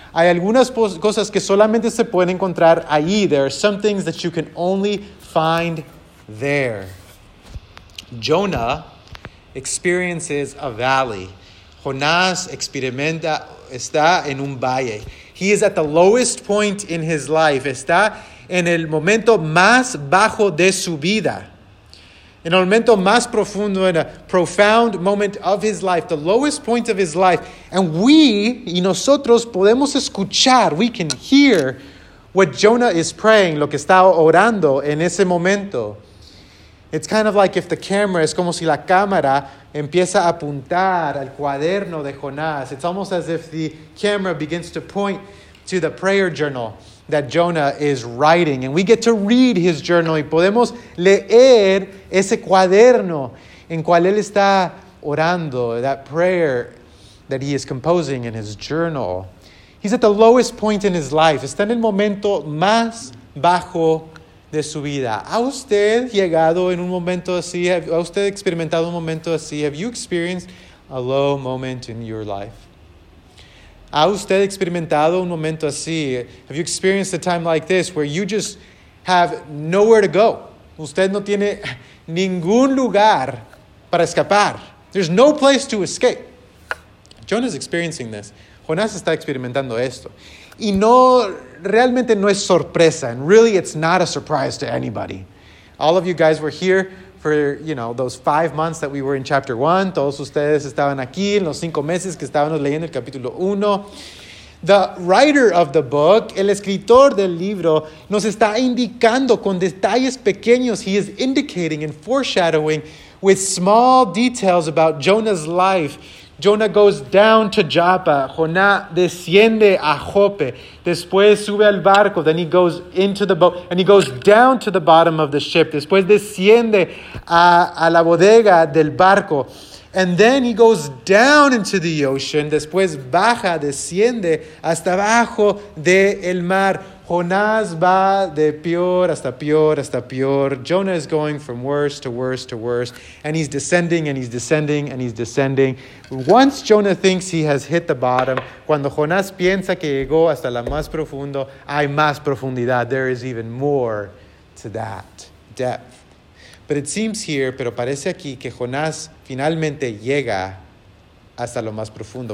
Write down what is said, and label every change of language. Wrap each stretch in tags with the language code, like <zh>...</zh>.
<es>Hay algunas cosas que solamente se pueden encontrar ahí.</es> <en>There are some things that you can only find there. Jonah experiences a valley.</en> <es>Jonás experimenta, está en un valle.</es> <en>He is at the lowest point in his life.</en> <es>Está en el momento más bajo de su vida. En el momento más profundo,</es> <en>in a profound moment of his life, the lowest point of his life. And we,</en> <es>y nosotros, podemos escuchar,</es> <en>we can hear what Jonah is praying,</en> <es>lo que está orando en ese momento.</es> <en>It's kind of like if the camera,</en> <es>es como si la cámara empieza a apuntar al cuaderno de Jonás.</es> <en>It's almost as if the camera begins to point to the prayer journal that Jonah is writing, and we get to read his journal,</en> <es>y podemos leer ese cuaderno en cual él está orando,</es> <en>that prayer that he is composing in his journal. He's at the lowest point in his life.</en> <es>Está en el momento más bajo de su vida. ¿Ha usted llegado en un momento así? ¿Ha usted experimentado un momento así?</es> <en>Have you experienced a low moment in your life?</en> <es>¿Ha usted experimentado un momento así?</es> <en>Have you experienced a time like this where you just have nowhere to go?</en> <es>Usted no tiene ningún lugar para escapar.</es> <en>There's no place to escape. Jonah's experiencing this.</en> <es>Jonás está experimentando esto. Y no, realmente no es sorpresa.</es> <en>And really, it's not a surprise to anybody. All of you guys were here for, you know, those 5 months that we were in chapter 1.</en> <es>Todos ustedes estaban aquí en los 5 meses que estábamos leyendo el capítulo 1.</es> <en>The writer of the book,</en> <es>el escritor del libro, nos está indicando con detalles pequeños.</es> <en>He is indicating and foreshadowing with small details about Jonah's life. Jonah goes down to Joppa.</en> <es>Jonah desciende a Joppe. Después sube al barco.</es> <en>Then he goes into the boat. And he goes down to the bottom of the ship.</en> <es>Después desciende a la bodega del barco.</es> <en>And then he goes down into the ocean.</en> <es>Después baja, desciende hasta abajo del mar. Jonás va de peor hasta peor hasta peor.</es> <en>Jonah is going from worse to worse to worse. And he's descending and he's descending and he's descending. Once Jonah thinks he has hit the bottom,</en> <es>cuando Jonás piensa que llegó hasta la más profundo, hay más profundidad.</es> <en>There is even more to that depth. But it seems here,</en> <es>pero parece aquí, que Jonás finalmente llega hasta lo más profundo.</es>